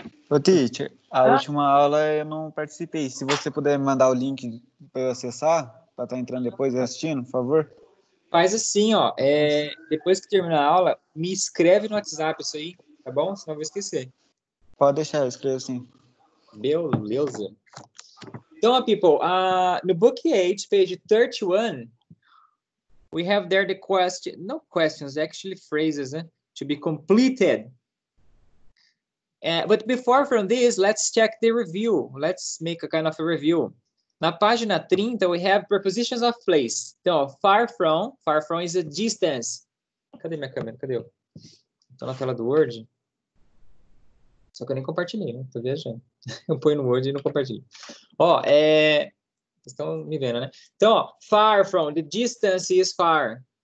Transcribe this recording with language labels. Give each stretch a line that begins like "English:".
Portuguese: Ô, teacher, a última aula eu não participei. Se você puder me mandar o link para eu acessar, para estar entrando depois e assistindo, por favor. Faz assim, ó. Depois que terminar a aula, me escreve no WhatsApp isso aí, tá bom? Senão eu vou esquecer. Pode deixar, eu escrevo assim. Beleza.
English: Então, people, no book 8, page 31, we have there the question, no questions, actually phrases, to be completed. But before from this, let's check the review. Let's make a kind of a review.
Portuguese: Na página 30,
English: we have prepositions of place.
Portuguese: Então,
English: far from is a distance.
Portuguese: Cadê minha câmera? Cadê eu? Tô na tela do Word. Só que eu nem compartilhei, né? Tô viajando. Eu ponho no Word e não compartilho. Ó, vocês estão me vendo, né?
English: Então, ó, far from, the distance is far.